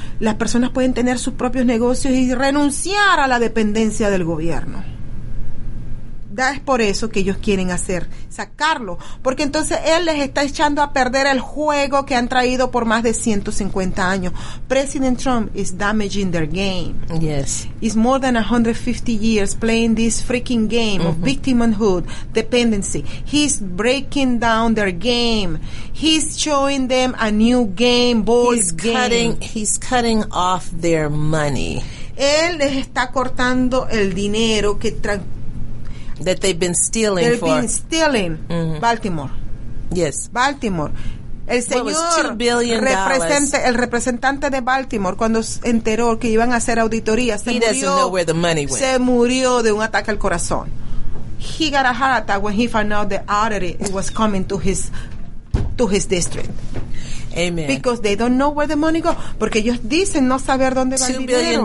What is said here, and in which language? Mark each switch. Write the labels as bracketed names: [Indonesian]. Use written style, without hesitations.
[Spanish] Las personas pueden tener sus propios negocios y renunciar a la dependencia del gobierno. Es por eso que ellos quieren hacer, sacarlo, porque entonces él les está echando a perder el juego que han traído por más de 150 años. [English] President Trump is damaging their game. Yes. It's more than 150 years playing this freaking game of victimhood, dependency. He's breaking down their game. He's showing them a new game, boys game. He's cutting off their money. [Spanish] Él les está cortando el dinero que [English] that they've been stealing they've for. They've been stealing Baltimore. Yes. Baltimore. [Spanish] El señor el representante de Baltimore, cuando se enteró que iban a hacer auditorías, se murió de un ataque al corazón. [English] He got a heart attack when he found out the auditor was coming to his district. Amen. Because they don't know where the money goes. [Spanish] Porque ellos dicen no saber dónde va el dinero.